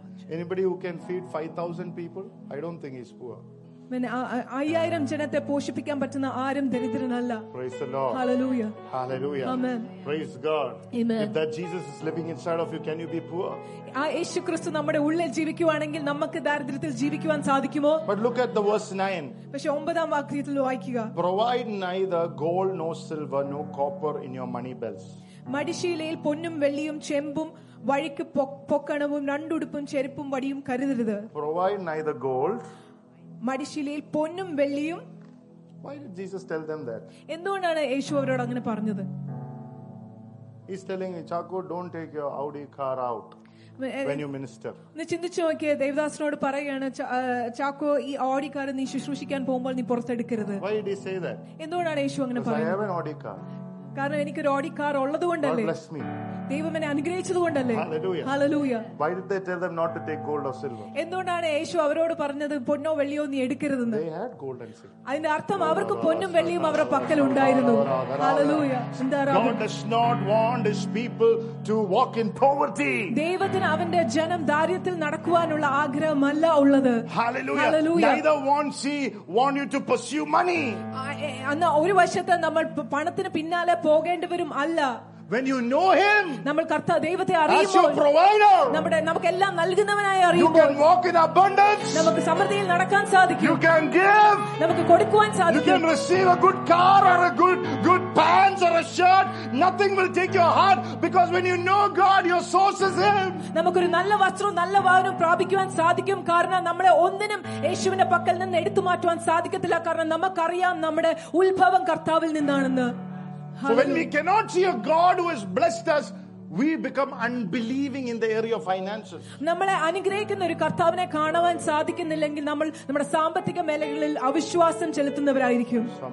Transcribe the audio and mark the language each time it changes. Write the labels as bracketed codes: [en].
[en] Anybody who can feed 5,000 people, I don't think he's poor. When [ml] 5000 ജനത്തെ പോഷിപ്പിക്കാൻ പറ്റുന്ന ആരും ദരിദ്രനല്ല. [en] Praise the Lord. Hallelujah. Hallelujah. Amen. Praise God. Amen. If that Jesus is living inside of you, can you be poor? [ml] ആ യേശു ക്രിസ്തു നമ്മുടെ ഉള്ളിൽ ജീവിക്കുവാണെങ്കിൽ നമുക്ക് ദരിദ്രത്തിൽ ജീവിക്കുവാൻ സാധിക്കുമോ? [en] But look at the verse 9. [ml] പക്ഷേ 9-ാം വാക്യത്തിൽ വായിക്കുക. [en] Provide neither gold nor silver nor copper in your money belts. [ml] മടിശീലയിൽ പൊന്നും വെള്ളിയും ചെമ്പും വഴിക്ക് പൊക്കണവും രണ്ടുടുപ്പും ചെരുപ്പും വടിയും കരുതരുത്. [en] Provide neither gold [ml] മടിശീലയിൽ പൊന്നും വെള്ളിയും. [en] Why did Jesus tell them that? [ml] എന്തുകൊണ്ടാണ് യേശു അവരോട് അങ്ങനെ പറഞ്ഞത്? [en] He's telling Chaco, don't take your Audi car out when you minister. [ml] നീ ചിന്തിച്ചു നോക്കിയേ, ദേവദാസനോട് പറയുകയാണ് ചാക്കോ, ഈ ഓഡി കാർ നീ ശുശ്രൂഷിക്കാൻ പോകുമ്പോൾ നീ പുറത്തെടുക്കരുത്. [en] Why did he say that? [ml] എന്തുകൊണ്ടാണ് യേശു അങ്ങനെ പറഞ്ഞത്? [en] I have an Audi car. [ml] കാരണം എനിക്കൊരു ഓഡി കാർ ഉള്ളത് കൊണ്ടല്ലേ. [en] Bless me. [ml] ദൈവം എന്നെ അനുഗ്രഹിച്ചത് കൊണ്ടല്ലേ. [en] Hallelujah. Why did they tell them not to take gold or silver? [ml] എന്തുകൊണ്ടാണ് യേശു അവരോട് പറഞ്ഞത് പൊന്നോ വെള്ളിയോ നീ എടുക്കരുതെന്ന്? [en] They had gold and silver. [ml] അതിന്റെ അർത്ഥം അവർക്ക് പൊന്നും വെള്ളിയും അവരുടെ പക്കൽ ഉണ്ടായിരുന്നു. [en] Hallelujah. God does not want his people to walk in poverty. [ml] ദൈവത്തിന് അവന്റെ ജനം ദാരിദ്ര്യത്തിൽ നടക്കുവാനുള്ള ആഗ്രഹമല്ല ഉള്ളത്. [en] Hallelujah. Neither wants he want you to pursue money. [ml] അന്ന് ഒരു വശത്ത് നമ്മൾ പണത്തിന് പിന്നാലെ പോകേണ്ടവരും അല്ല. [en] When you know him, [ml] നമ്മൾ കർത്ത ദൈവത്തെ അറിയുമ്പോൾ, [en] as your provider, [ml] നമ്മുടെ നമുക്ക് എല്ലാം നൽകുന്നവനായി അറിയുമ്പോൾ, [en] you can walk in abundance, [ml] നമുക്ക് സമൃദ്ധിയിൽ നടക്കാൻ സാധിക്കും. [en] You can give, [ml] നമുക്ക് കൊടുക്കുവാൻ സാധിക്കും. [en] You can receive a good car or a good pants or a shirt, nothing will take your heart, because when you know God, your source is him. [ml] നമുക്ക് ഒരു നല്ല വസ്ത്രവും നല്ല വാഹനവും പ്രാപിക്കുവാൻ സാധിക്കും, കാരണം നമ്മളെ ഒന്നിനും യേശുവിന്റെ പക്കൽ നിന്ന് എടുത്തു മാറ്റുവാൻ സാധിക്കത്തില്ല, കാരണം നമുക്കറിയാം നമ്മുടെ ഉത്ഭവം കർത്താവിൽ നിന്നാണെന്ന്. [en] So when we cannot see a God who has blessed us, we become unbelieving in the area of finances. [ml] നമ്മളെ അനുഗ്രഹിക്കുന്ന ഒരു കർത്താവിനെ കാണുവാൻ സാധിക്കുന്നില്ലെങ്കിൽ നമ്മൾ നമ്മുടെ സാമ്പത്തിക മേഖലകളിൽ അവിശ്വാസം ചെലുത്തുന്നവരായിരിക്കും.